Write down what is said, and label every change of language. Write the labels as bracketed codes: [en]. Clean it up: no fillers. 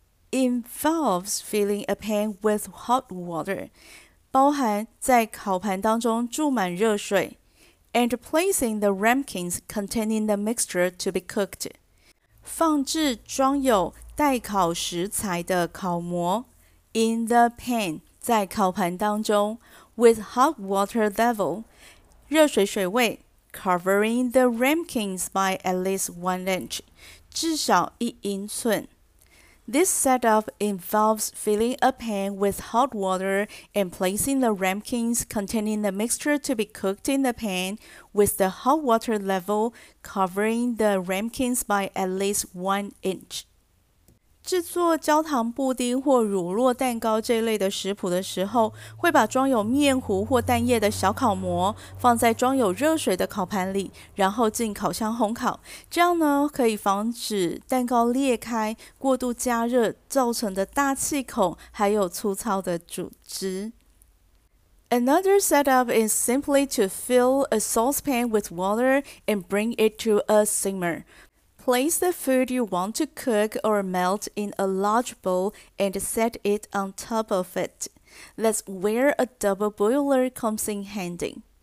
[en] involves filling a pan with hot water, [zh] 包含在烤盘当中注满热水 [en] and placing the ramekins containing the mixture to be cooked, [zh] 放置装有待烤食材的烤模 [en] in the pan, [zh] 在烤盘当中 [en] with hot water level, [zh] 热水水位 [en] covering the ramekins by at least 1 inch, [zh] 至少一英寸。 [en] This setup involves filling a pan with hot water and placing the ramekins containing the mixture to be cooked in the pan with the hot water level covering the ramekins by at least 1 inch. [zh] 制作焦糖布丁或乳酪蛋糕这类的食谱的时候，会把装有面糊或蛋液的小烤模放在装有热水的烤盘里，然后进烤箱烘烤。这样呢，可以防止蛋糕裂开、过度加热造成的大气孔，还有粗糙的组织。 [en] Another setup is simply to fill a saucepan with water and bring it to a simmer. Place the food you want to cook or melt in a large bowl and set it on top of it. That's where a double boiler comes in handy.